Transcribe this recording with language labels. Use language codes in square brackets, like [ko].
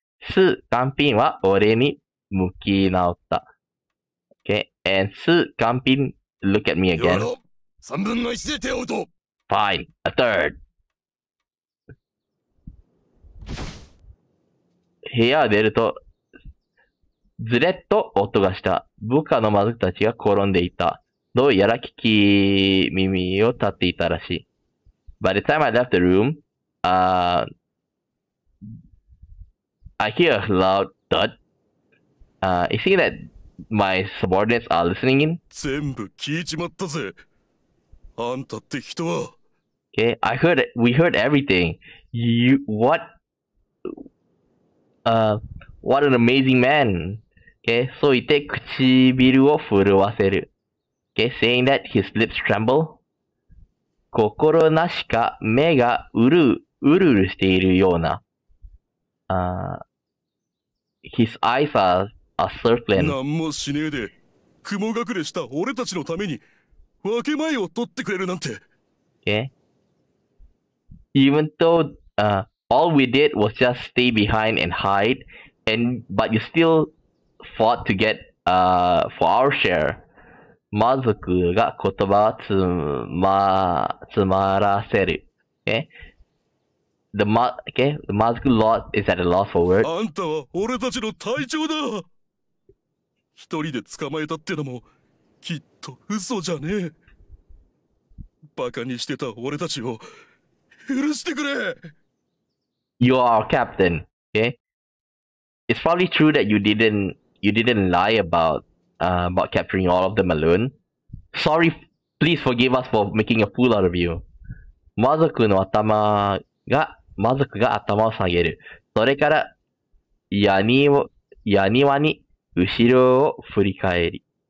[ja] す、カンピンは俺に向き直った。 [en] Okay, and す、カンピン、look at me again. [ja] 三分の一で手を打とう。 [en] Fine, a third. [ja] 部屋を出ると、ずれっと音がした。部下の魔族たちが転んでいた。どうやら聞き耳を立っていたらしい。 [en] By the time I left the room, I hear a loud thud. You see that my subordinates are listening in? [ja] 全部聞いちまったぜ。あんたって人は。 [en] Okay, I heard it. We heard everything. You, what? What an amazing man. Okay, [ja] そう言って唇を震わせる。 [en] Okay, saying that his lips tremble. [ja] 心なしか目がうるしているような。 [en] His eyes are circling. [ja] 何もしねえで、雲隠れした俺たちのために分け前を取ってくれるなんて。 [en] Okay. Even though, all we did was just stay behind and hide, and but you still fought to get, for our share. [ja] 魔族が言葉をつまらせる。 [en] Okay. The magic lord is at a loss for words. [ja] あんたは俺たちの隊長だ。一人で捕まえたってのもきっと嘘じゃねえ。バカにしてた俺たちを許してくれ。 [en] You are our captain, okay? It's probably true that you didn't lie about capturing all of them alone. Sorry, please forgive us for making a fool out of you. [ja] 魔族の頭が魔族が頭を下げる。それから、矢庭に後ろを振り返り。